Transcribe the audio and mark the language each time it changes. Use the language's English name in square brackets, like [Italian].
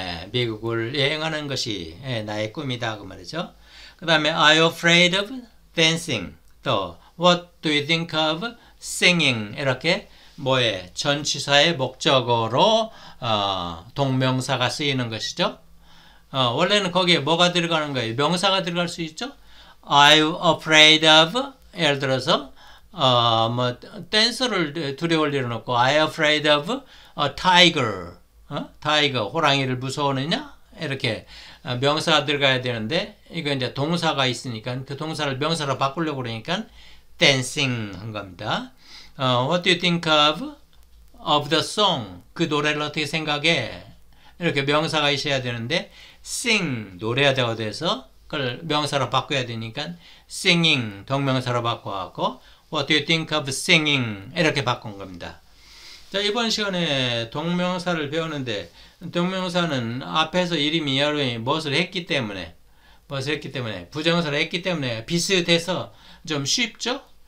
[Korean] 미국을 여행하는 것이 나의 꿈이다 그 말이죠. 그 다음에 [English] Are you afraid of dancing? 또 What do you think of singing? [Korean] 이렇게 뭐에 전치사의 목적으로 동명사가 쓰이는 것이죠. 원래는 거기에 뭐가 들어가는 거예요? 명사가 들어갈 수 있죠. [English] Are you afraid of? [Korean] 예를 들어서 뭐 댄서를 두려워할 일은 없고 [English] Are you afraid of a tiger? [Korean] 타이거, 호랑이를 무서워하느냐? 이렇게 명사가 들어가야 되는데 이거 이제 동사가 있으니까 그 동사를 명사로 바꾸려고 그러니까 댄싱 한 겁니다. [English] What do you think of the song? [Korean] 그 노래를 어떻게 생각해? 이렇게 명사가 있어야 되는데 sing 노래하다고 돼서 그걸 명사로 바꿔야 되니까 singing 동명사로 바꿔갖고 [English] What do you think of singing? [Korean] 이렇게 바꾼 겁니다. 자, 이번 시간에 동명사를 배웠는데, 동명사는 앞에서 이름이 여러분이 무엇을 했기 때문에, 부정사를 했기 때문에 비슷해서 좀 쉽죠?